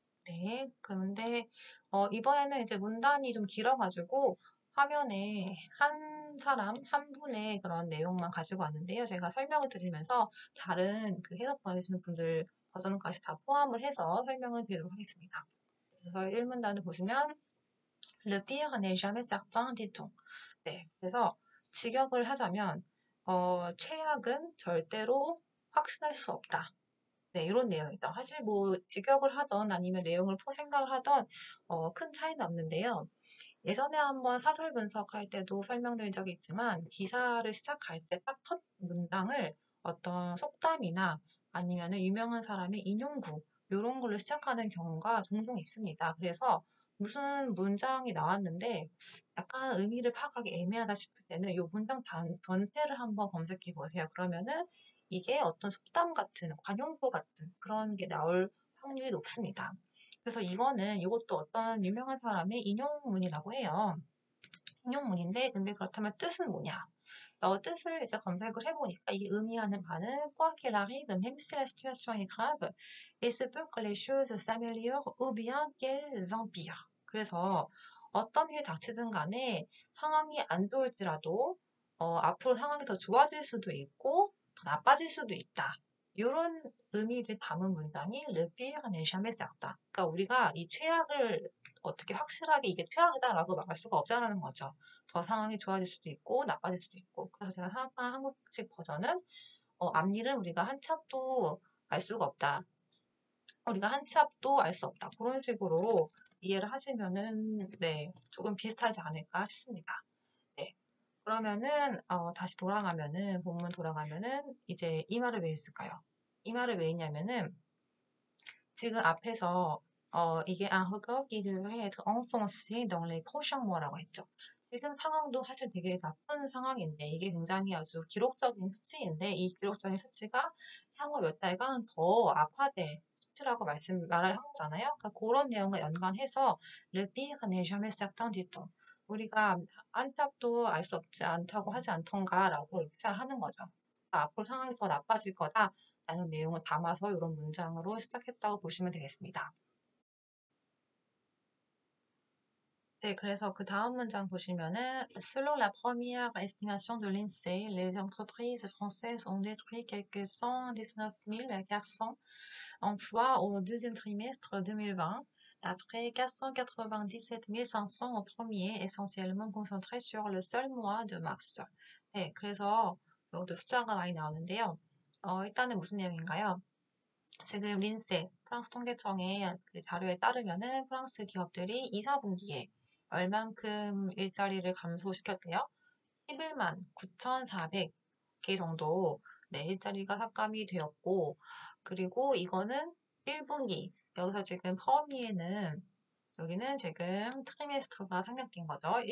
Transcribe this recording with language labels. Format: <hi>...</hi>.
<ko>네, 그런데 이번에는 이제 문단이 좀 길어가지고 화면에 한 사람 한 분의 그런 내용만 가지고 왔는데요. 제가 설명을 드리면서 다른 그 해석 봐주시는 분들 버전까지 다 포함을 해서 설명을 드리도록 하겠습니다. 그래서 1문단을 보시면</ko> <fr>Le pire n'est jamais certain, dit-on.</fr> <ko>네, 그래서 직역을 하자면 최악은 절대로 확신할 수 없다. 네, 이런 내용이다. 사실 뭐 직역을 하던 아니면 내용을 포생각을 하던 큰 차이는 없는데요. 예전에 한번 사설 분석할 때도 설명드린 적이 있지만 기사를 시작할 때딱첫 문장을 어떤 속담이나 아니면 유명한 사람의 인용구 이런 걸로 시작하는 경우가 종종 있습니다. 그래서 무슨 문장이 나왔는데 약간 의미를 파악하기 애매하다 싶을 때는 이 문장 전체를 한번 검색해 보세요. 그러면은 이게 어떤 속담 같은 관용구 같은 그런 게 나올 확률이 높습니다. 그래서 이거는 이것도 어떤 유명한 사람의 인용문이라고 해요. 인용문인데 근데 그렇다면 뜻은 뭐냐? 뜻을 이제 검색을 해보니까 이게 의미하는 바는</ko> <fr>quoi qu'il arrive, même si la situation est grave, il se peut que les choses s'améliorent ou bien qu'elles empirent.</fr> <ko>그래서 어떤 일이 닥치든 간에 상황이 안 좋을지라도 앞으로 상황이 더 좋아질 수도 있고 더 나빠질 수도 있다. 이런 의미를 담은 문장이</ko> <fr>Le pire n'est jamais certain.</fr> <ko>그러니까 우리가 이 최악을 어떻게 확실하게 이게 최악이다라고 말할 수가 없다라는 거죠. 더 상황이 좋아질 수도 있고 나빠질 수도 있고. 그래서 제가 생각한 한국식 버전은 앞일을 우리가 한치 앞도 알 수가 없다. 우리가 한치 앞도 알수 없다. 그런 식으로 이해를 하시면은 네, 조금 비슷하지 않을까 싶습니다. 그러면은 다시 돌아가면은 본문 돌아가면은 이제 이 말을 왜 했을까요? 이 말을 왜 했냐면은 지금 앞에서 이게</ko> <fr>un regard qui devrait être enfoncé dans les prochains mois라고 했죠.</fr> <ko>지금 상황도 사실 되게 나쁜 상황인데 이게 굉장히 아주 기록적인 수치인데 이 기록적인 수치가 향후 몇 달간 더 악화될 수치라고 말을 한 거잖아요. 그러니까 그런 내용과 연관해서</ko> <fr>Le pire n'est jamais certain, dit-on.</fr> <ko>우리가 안짭도 알수 없지 않다고 하지 않던가라고 이렇게 잘 하는 거죠. 앞으로 상황이 더 나빠질 거다라는 내용을 담아서 이런 문장으로 시작했다고 보시면 되겠습니다.</ko> <fr>네, 그래서 그 다음 문장 보시면은 Selon la première estimation de l'INSEE, les entreprises françaises ont détruit quelque 119 400 emplois au deuxième trimestre 2020. Après 497 500 au premier, essentiellement concentré sur le seul mois de mars.</fr> <ko>네, 그래서 여기도 숫자가 많이 나오는데요. 일단은 무슨 내용인가요? 지금 린세, 프랑스 통계청의 그 자료에 따르면은 프랑스 기업들이 2, 4분기에 얼만큼 일자리를 감소시켰대요? 11만 9,400개 정도 네, 일자리가 삭감이 되었고, 그리고 이거는 1분기, 여기서 지금 퍼미에는, 여기는 지금 트리메스터가 생략된 거죠.</ko>